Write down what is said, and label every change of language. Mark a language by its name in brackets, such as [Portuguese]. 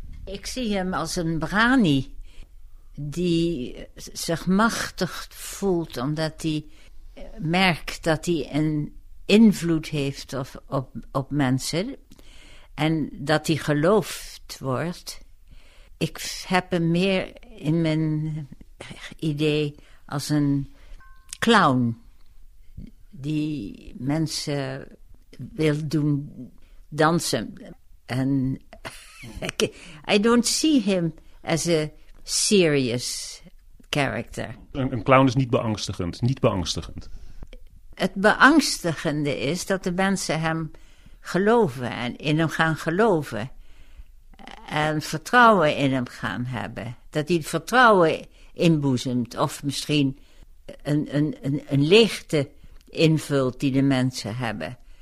[Dutch] Ik zie hem als een brani die zich machtig voelt omdat hij merkt dat hij een invloed heeft op mensen en dat hij geloofd wordt. Ik heb hem meer in mijn idee als een clown die mensen wil doen dansen. [English] En I don't see him as a serious character. [Dutch] Een clown is niet beangstigend. Niet beangstigend. Het beangstigende is dat de mensen hem geloven en in hem gaan geloven. En vertrouwen in hem gaan hebben. Dat hij vertrouwen inboezemt. Of misschien een leegte invult die de mensen hebben.